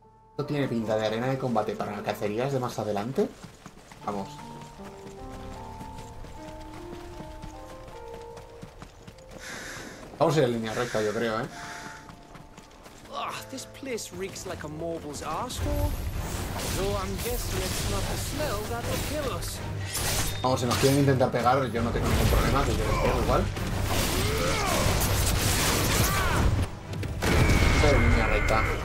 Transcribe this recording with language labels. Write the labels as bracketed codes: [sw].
[es] ¿Esto tiene pinta de arena de combate para las cacerías de más adelante? Vamos. Vamos a ir en línea recta, yo creo, [en] This place reeks like a mobile's arsehole. Though I'm guessing it's not the smell that'll kill us. [es] Vamos, si nos quieren intentar pegar, yo no tengo ningún problema, que yo les pego igual. Pero en línea recta.